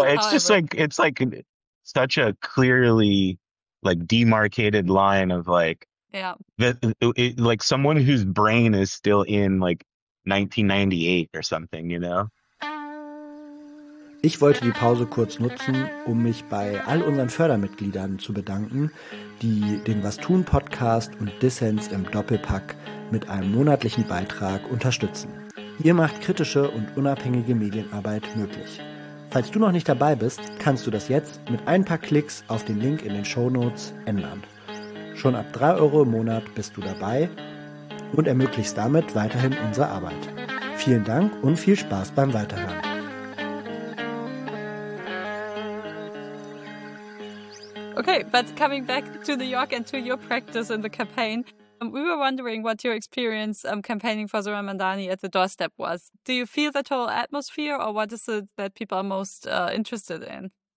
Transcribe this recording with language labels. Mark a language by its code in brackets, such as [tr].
[en] just like, it's like such a clearly like demarcated line of like, like someone whose brain is still in like 1998 or something, you know? [de] Ich wollte die Pause kurz nutzen, um mich bei all unseren Fördermitgliedern zu bedanken, die den Was-Tun-Podcast und Dissens im Doppelpack mit einem monatlichen Beitrag unterstützen. Ihr macht kritische und unabhängige Medienarbeit möglich. Falls du noch nicht dabei bist, kannst du das jetzt mit ein paar Klicks auf den Link in den Shownotes ändern. Schon ab 3 Euro im Monat bist du dabei und ermöglichst damit weiterhin unsere Arbeit. Vielen Dank und viel Spaß beim Weiterhören. [en] Okay, but coming back to New York and to your practice in the campaign, we were wondering what your experience campaigning for Zora Mandani at the doorstep was. Do you feel that whole atmosphere, or what is it that people are most interested in?